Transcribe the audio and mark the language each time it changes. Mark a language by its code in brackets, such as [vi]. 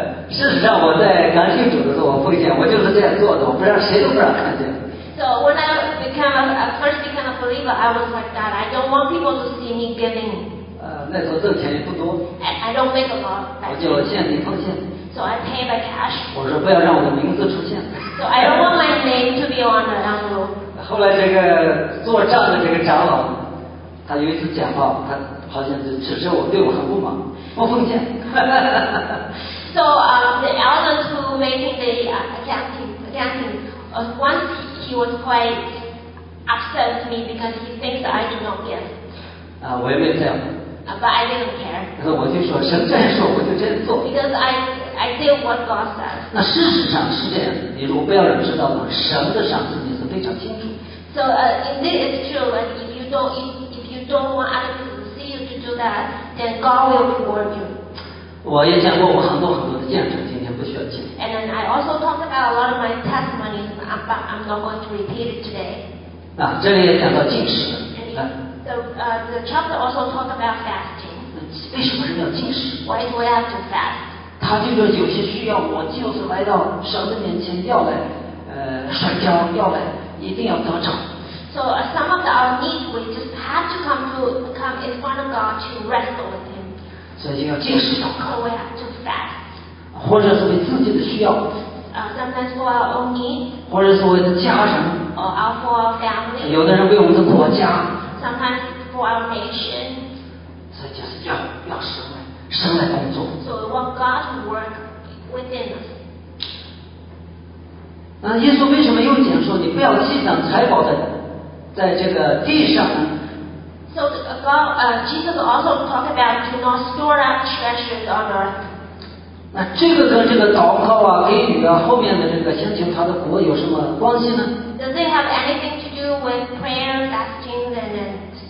[zh] 事实上，我在感谢主的时候，我奉献，我就是这样做的，我不让谁都不让看见。 [en] So when I became a first became a believer, I was like that. I don't want people to see me giving. [zh] 那时候挣钱也不多。 [en] I don't make a lot. [zh] 我就献礼奉献。 [en] So I pay by cash. [zh] 我说不要让我的名字出现。 [en] So I don't want my name to be on the envelope. [zh] 后来这个做账的这个长老，他有一次讲话，他好像就指责我对我很不满，不奉献。 [en] So the elders who made the accounting, once he was quite upset with me because he thinks that I do not give. [zh] 我也没这样。 [en] But I didn't care. [zh] 那我就说，神这样说，我就这样做。 [en] Because I did what God says. [zh] 那事实上是这样，你如果不要人知道呢，神的赏赐你是非常清楚。 [en] So indeed it's true. Like if you don't want other people to see you to do that, then God will reward you. [zh] 我也讲过我很多很多的见证，今天不需要讲。 [en] And then I also talked about a lot of my testimonies, but I'm not going to repeat it today. [zh] 那这里也讲到禁食。 [en] The chapter also talk about fasting. [zh] 为什么人要禁食？ [en] Why do we have to fast? [zh] 他就说有些需要，我就是来到神的面前，要来摔跤，要来一定要得着。 [en] So some of our needs we just have to come in front of God to wrestle with Him. [zh] 所以要禁食祷告。 [en] So we have to fast. [zh] 或者是为自己的需要。 [en] Sometimes for our own needs. [zh] 或者是为了家人。 [en] Or for our family. [zh] 有的人为我们的国家。 [en] Sometimes for our nation. [zh] 所以就是要神来，神来工作。 [en] So we want God to work within us. [zh] 那耶稣为什么又讲说你不要积攒财宝在这个地上呢？ [en] So Jesus also talked about to not store up treasures on earth. [zh] 那这个跟这个祷告啊、给予啊、后面的这个先求他的国有什么关系呢？ [en] Does it have anything to do with prayer, fasting, and then?